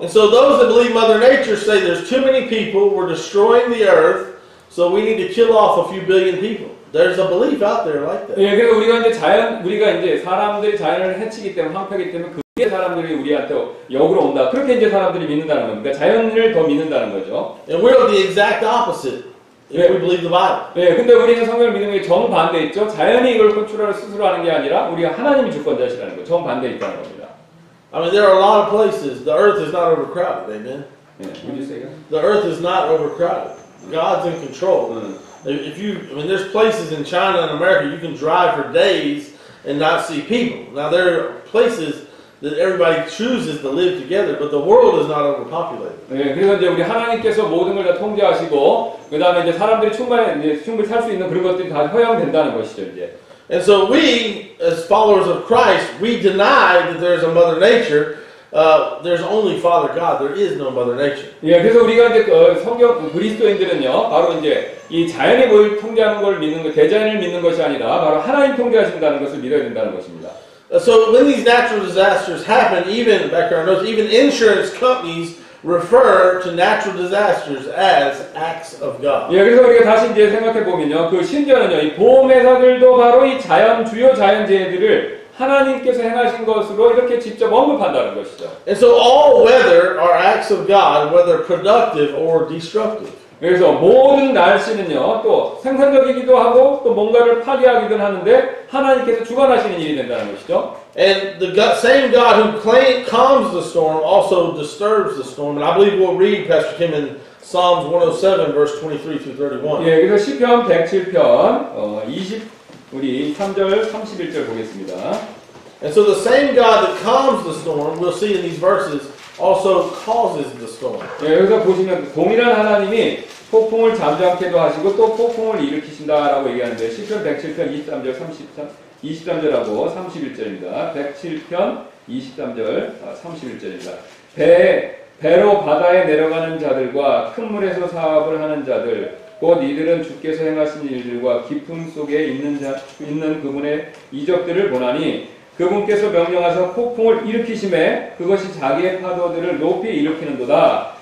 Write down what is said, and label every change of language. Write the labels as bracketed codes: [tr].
[en] And so those that believe Mother Nature say there's too many people, we're destroying the earth, so we need to kill off a few billion people. There's a belief out there like that. [ko] 예, 그래서 우리가 이제 자연, 우리가 이제 사람들이 자연을 해치기 때문에, 황폐하기 때문에 그게 사람들이 우리한테 역으로 온다. 그렇게 이제 사람들이 믿는다는 겁니다. 자연을 더 믿는다는 거죠. [en] And we're the exact opposite. If we believe the Bible. [ko] 예, 근데 우리는 성경을 믿는 게 정반대 있죠. 자연이 이걸 컨트롤을 스스로 하는 게 아니라 우리가 하나님이 주권자시라는 거. 정반대 있다는 겁니다. [en] I mean, there are a lot of places. The earth is not overcrowded. Amen. 예, would you say that? The earth is not overcrowded. God's in control. If you, I mean, there's places in China and America you can drive for days and not see people. Now there are places that everybody chooses to live together, but the world is not overpopulated. [ko] 예, 그래서 이제 우리 하나님께서 모든 걸 다 통제하시고, 그 다음에 이제 사람들이 충분히 살 수 있는 그런 것들이 다 허용된다는 것이죠, 이제. [en] And so we, as followers of Christ, we deny that there's a Mother Nature. There's only Father God. There is no Mother Nature. [ko] 예, 그래서 우리가 이제 성경 그리스도인들은요, 바로 이제 이 자연의 모든 통제하는 걸 믿는 것, 대자연을 믿는 것이 아니라 바로 하나님 통제하신다는 것을 믿어야 된다는 것입니다. [en] So when these natural disasters happen, even background knows, even insurance companies refer to natural disasters as acts of God. [ko] 예, 그래서 우리가 다시 이제 생각해 보면요, 그 심지어는요, 이 보험회사들도 바로 이 자연 주요 자연재해들을 하나님께서 행하신 것으로 이렇게 직접 언급한다는 것이죠. [en] And so all weather are acts of God, whether productive or destructive. [ko] 그래서 모든 날씨는요, 또 생산적이기도 하고 또 뭔가를 파괴하기도 하는데 하나님께서 주관하시는 일이 된다는 것이죠. [en] And the same God who calms the storm also disturbs the storm. And I believe we'll read Pastor Kim in Psalms 107, verse 23 through 31. [ko] 예, 그래서 시편 107편 20 우리 3절 31절 보겠습니다. [en] And so the same God that calms the storm, we'll see in these verses, also causes the storm. [ko] 예, 여기서 보시면 동일한 하나님이 폭풍을 잠잠케도 하시고 또 폭풍을 일으키신다라고 얘기하는데 시편 107편 23절 23절하고 31절입니다. 107편 23절 31절입니다. 배로 바다에 내려가는 자들과 큰 물에서 사업을 하는 자들 곧 이들은 주께서 행하신 일들과 깊음 속에 있는 자 있는 그분의 이적들을 보나니 그분께서 명령하셔 폭풍을 일으키심에 그것이 자기의 파도들을 높이 일으키는도다.